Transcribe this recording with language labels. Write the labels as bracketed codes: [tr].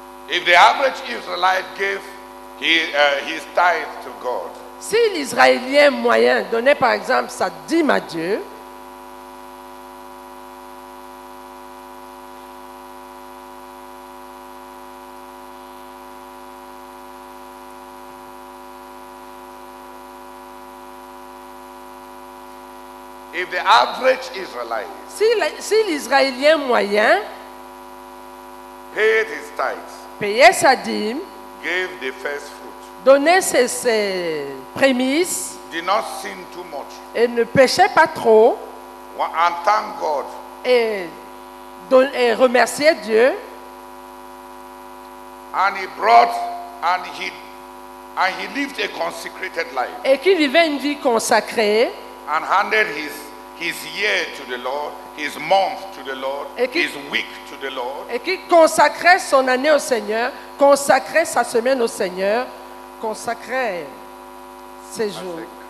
[en] If the average Israelite gave his tithe to God, [fr] si l'Israélien moyen donnait par exemple sa dîme à Dieu, [en] if the average Israelite, [fr] si l'Israélien moyen [en] paid his tithe, [fr] payait sa dîme, [en] gave the first fruit, [fr] donnait ses prémices, [en] did not sin too much, [fr] et ne péchait pas trop, [en] and thank God, [fr] et remerciait Dieu, [en] and he lived a consecrated life, [fr] et qu'il vivait une vie consacrée, [en] and handed his year to the Lord, his month to the Lord, his week to the Lord, [fr] et qui consacrait son année au Seigneur, consacrait sa semaine au Seigneur, consacrait ses jours.